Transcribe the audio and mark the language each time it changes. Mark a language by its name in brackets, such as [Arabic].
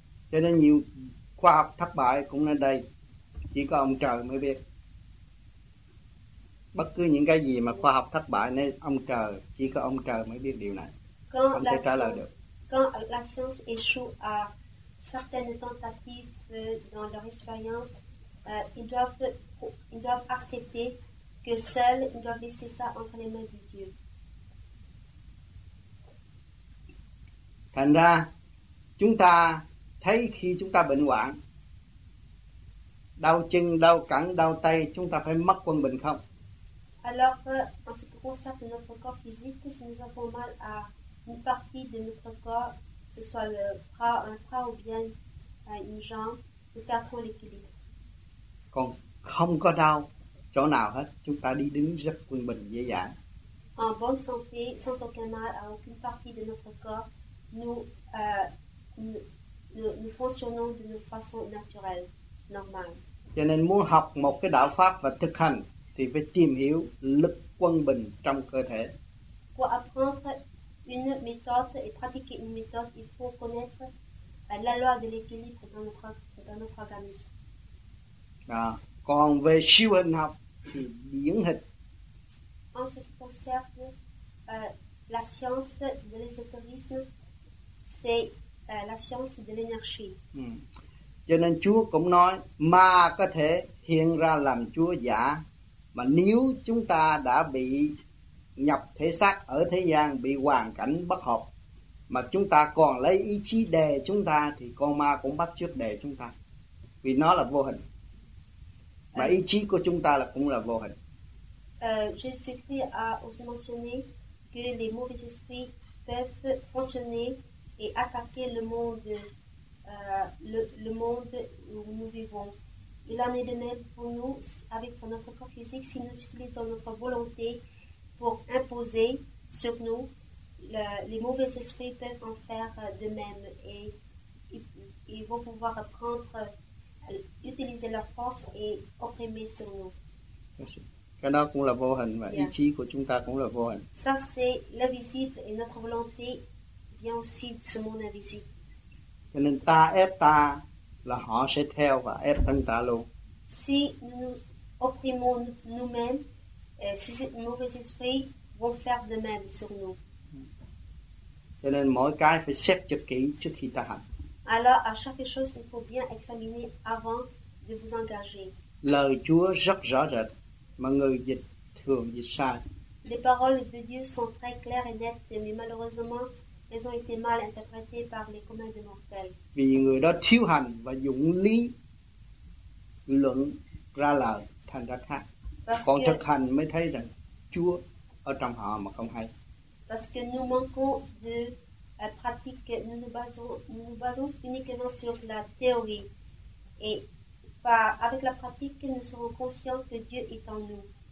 [Vietnamese] Cho nên nhiều khoa học thất bại cũng nên đây, chỉ có ông trời mới biết. Bất cứ những cái gì mà khoa học thất bại nên ông trời, chỉ có ông trời mới biết điều này. [French] Quand la science, quand la science échoue à certaines tentatives dans leur expérience, ils doivent accepter que seul ils doivent laisser ça entre les mains de Dieu. [Vietnamese] Thành ra, chúng ta thấy khi chúng ta bệnh hoạn, đau chân, đau cẳng, đau tay, chúng ta phải mất quân bình không? [French] Alors, en ce qui concerne notre corps physique, si nous avons mal à une partie de notre corps, que ce soit le bras, un bras ou bien une jambe, nous perdons l'équilibre. [Vietnamese] Còn không có đau chỗ nào hết, chúng ta đi đứng rất quân bình, dễ dàng. [French] En bonne santé, sans aucun mal à aucune partie de notre corps, nous fonctionnons de façon naturelle, normale. [Vietnamese] Cho nên muốn học một cái đạo pháp và thực hành thì phải tìm hiểu lực quân bình trong cơ thể. [French] Pour apprendre une méthode et pratiquer une méthode, il faut connaître la loi de l'équilibre dans notre organisme. [Vietnamese] À, còn về siêu hình học thì điển hình. [French] En ce qui concerne la science de l'ésotérisme, c'est la science de l'énergie. [Vietnamese] Cho nên Chúa cũng nói ma có thể hiện ra làm Chúa giả. Mà nếu chúng ta đã bị nhập thể xác ở thế gian, bị hoàn cảnh bất hợp, mà chúng ta còn lấy ý chí đè chúng ta, thì con ma cũng bắt chước đè chúng ta, vì nó là vô hình. Mà ý chí của chúng ta là cũng là vô hình. [French] Jésus-Christ a aussi mentionné que les mauvais esprits peuvent fonctionner et attaquer le monde où nous vivons. Il en est de même pour nous avec notre corps physique. Si nous utilisons notre volonté pour imposer sur nous, les mauvais esprits peuvent en faire de même et ils vont pouvoir prendre, utiliser leur force et opprimer sur nous. [Vietnamese] Cái đó cũng là vô hình và ý chí của chúng ta cũng là vô hình. [French] Ça c'est l'invisible et notre volonté vient aussi de ce monde invisible. [Vietnamese] Cho nên ta ép ta là họ sẽ theo và ép thân ta luôn. [French] Si nous opprimons nous-mêmes, si ces mauvais esprits vont faire de même sur nous. [Vietnamese] Cho nên mỗi cái phải xét cho kỹ trước khi ta hành. [French] Alors à chaque chose il faut bien examiner avant de vous engager. [Vietnamese] Lời Chúa rất rõ rệt mà người dịch thường dịch sai. [French] Les paroles de Dieu sont très claires et nettes, mais malheureusement elles ont été mal interprétées par les communs des mortels. [Vietnamese] Vì người đó thiếu hành và dụng lý luận ra lời thành ra khác. Còn thực hành mới thấy rằng Chúa ở trong họ mà không hay. [French] Parce que nous manquons de pratique, nous nous basons uniquement sur la théorie et pas avec la pratique nous serons conscients que Dieu est en nous.